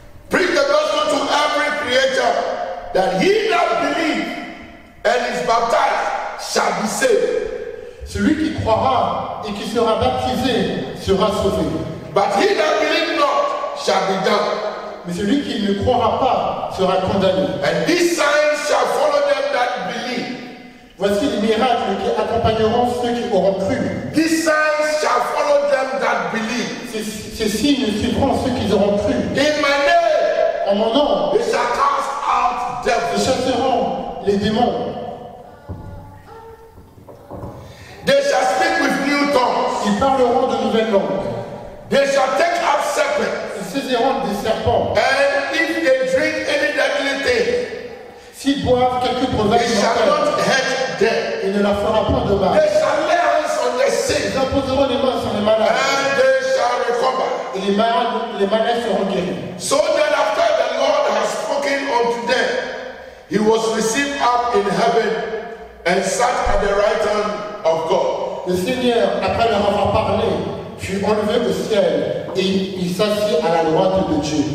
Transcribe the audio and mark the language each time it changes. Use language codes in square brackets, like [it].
[en] Preach the gospel to every creature, that he that believes and is baptized shall be saved. [fr] Celui qui croira et qui sera baptisé sera sauvé. [en] But he that believes not shall be damned. [fr] Mais celui qui ne croira pas sera condamné. [en] And these signs shall follow them that believe. [fr] Voici les miracles qui accompagneront ceux qui auront cru. [en] These signs shall follow them that believe. [fr] Ces signes suivront ceux qui auront cru. [en] In my name, [fr] en mon nom, [en] they shall cast out devils. [fr] Ils chasseront les démons. [en] They shall speak with new tongues. [fr] Ils parleront de nouvelles langues. [en] They shall take up serpents. [fr] Ils saisiront des serpents. [en] And if they drink any deadly thing, [fr] s'ils boivent quelques breuvages, [en] they shall not hurt them. [fr] Il ne leur fera point de mal. [en] They shall lay hands on the sick. [fr] Ils imposeront les mains sur les malades. [en] And they shall recover. [fr] Et les malades seront guéris. [en] So then, after the Lord has spoken He was received up in heaven and sat at the right hand of God. [fr] Le Seigneur, après l'avoir parlé, fut enlevé au ciel et il s'assit à la droite de Dieu.